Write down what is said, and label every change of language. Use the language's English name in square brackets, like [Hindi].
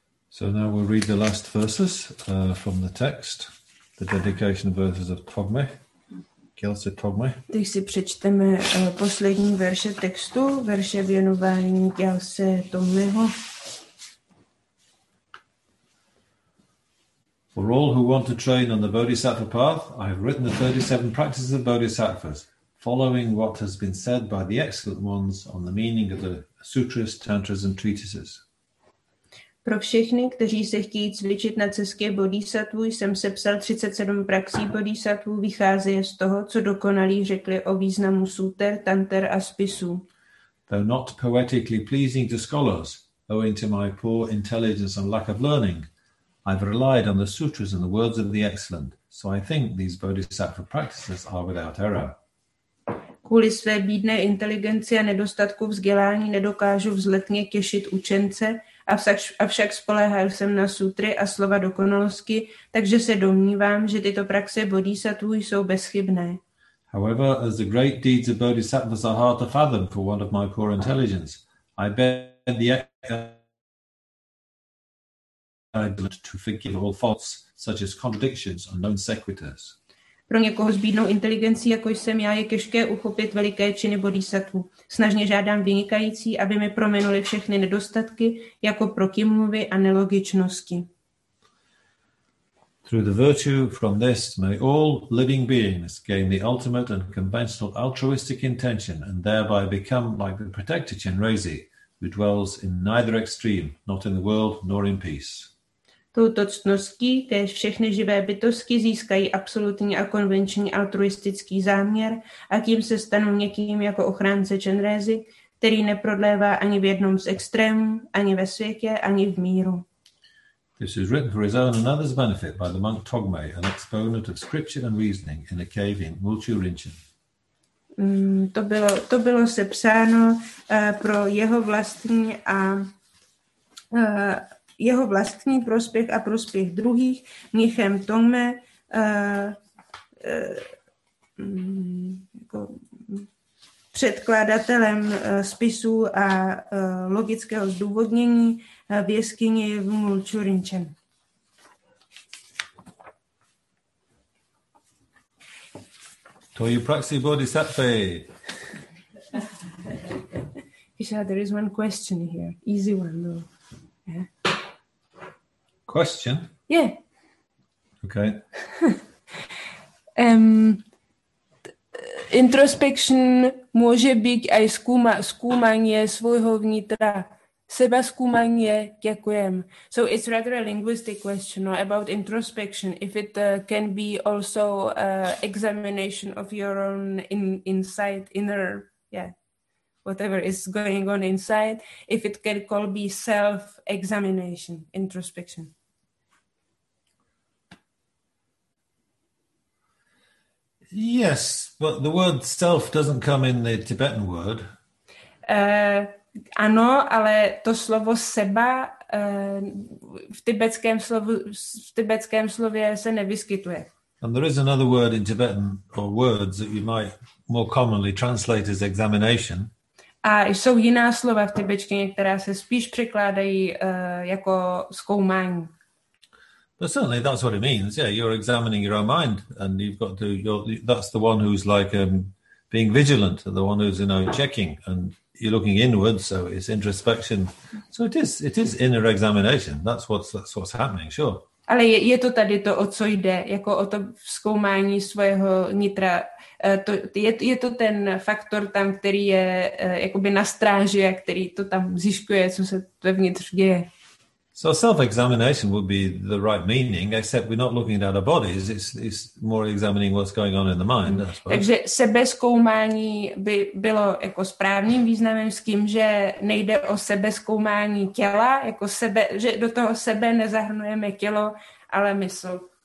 [English] So now we'll read the last verses from the text, the dedication verses of Togme, Gyaltse Togme. [Czech] Teď si přečteme poslední verše textu, verše věnování Gyaltse Togmeho. [English] For all who want to train on the Bodhisattva path, I have written the 37 practices of Bodhisattvas, following what has been said by the excellent ones on the meaning of the sutras, tantras and treatises. [Czech] Pro všechny, kteří se chtějí cvičit na cestě bodhisattvu, jsem sepsal 37 praxí bodhisattvu, vychází z toho, co dokonalí řekli o významu sutr, tanter a spisů. [English] Though not poetically pleasing to scholars, owing to my poor intelligence and lack of learning, I've relied on the sutras and the words of the excellent, so I think these bodhisattva practices are without error. [Czech] Kvůli své bídné inteligenci a nedostatku vzdělání nedokážu vzletně těšit učence, avšak spoléhal jsem na sutry a slova dokonalosti, takže se domnívám, že tyto praxe bodhisattvů jsou bezchybné. [English] However, as the great deeds of bodhisattvas are hard to fathom for want of my poor intelligence, I beg the excellent to forgive all faults, such as contradictions and known sequiturs. [Czech] Pro někoho s bídnou inteligencí, jako jsem já, je těžké uchopit veliké činy bodhisattvu. Snažně žádám vynikající, aby mi prominuli všechny nedostatky, jako protimluvy a nelogičnosti. [English] Through the virtue from this may all living beings gain the ultimate and conventional altruistic intention and thereby become like the protector Chenrezi, who dwells in neither extreme, not in the world nor in peace. [Czech] Touto ctností, též všechny živé bytosti získají absolutní a konvenční altruistický záměr a tím se stanou někým jako ochránce Chenrezi, který neprodlévá ani v jednom z extrémů, ani ve světě, ani v míru. [English] This is written for his own and others benefit by the monk Togme, an exponent of scripture and reasoning in a cave in Mulchu Rinchen. [Czech] To bylo sepsáno pro jeho vlastní a jeho vlastní prospěch a prospěch druhých mnichem Tome jako předkladatelem spisů a logického zdůvodnění v jeskyni v Mulchu Rinchen. To je praxi bodhisattva. [English] Isha, there is one question here. Easy one, though. Yeah. Question? Yeah. Okay. [Czech] Introspection může být i zkoumání svého vnitra. Seba zkoumání, děkujem. [English] So it's rather a linguistic question about introspection. If it can be also examination of your own inside, inner, yeah, whatever is going on inside. If it can call be self-examination, introspection. Yes, but the word self doesn't come in the Tibetan word. [Czech] Ano, ale to slovo seba v tibetském slově se nevyskytuje. [English] And there is another word in Tibetan or words that you might more commonly translate as examination. [Czech] A jsou jiná slova v tibetštině, která se spíš překládají jako zkoumání. [English] But certainly that's what it means. Yeah, you're examining your own mind and you've got to, that's the one who's like being vigilant, the one who's, you know, checking and you're looking inward, so it's introspection. So it is inner examination. That's what's happening, sure. [Czech] Ale je to tady to, o co jde, jako o to zkoumání svého nitra. Je to ten faktor tam, který je jakoby na stráži a který to tam zjišťuje, co se vevnitř děje. [English] So self-examination would be the right meaning, except we're not looking at our bodies. It's more examining what's going on in the mind. [Czech] Takže sebezkoumání by bylo jako správným významem s tím, že nejde o sebezkoumání těla, jako sebe, že do toho sebe nezahrnujeme tělo, ale mysl.